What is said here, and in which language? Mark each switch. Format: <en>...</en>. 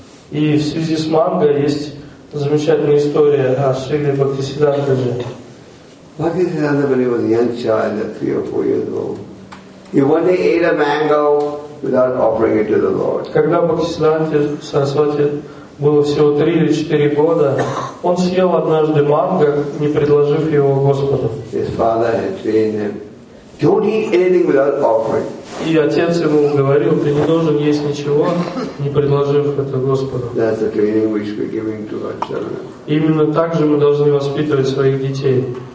<ru>И в связи с манго есть замечательная история о Шриле Бхактисиддхантаджи.</ru> <en>Бхактисиддхантаджи was a young child at 3 or 4 years old. He one day ate a mango without offering it to the Lord.</en> <ru>Когда Бхактисиддханта Сарасвати было всего 3 или 4 года, он съел однажды манго, не предложив его Господу.</ru> <en>His father had trained him. Don't eat anything without offering.</en> <ru>И отец ему говорил, ты не должен есть ничего, не предложив это Господу.</ru> <en>That's the training which we're giving to our children.</en> <ru>Именно так же мы должны воспитывать своих детей.</ru>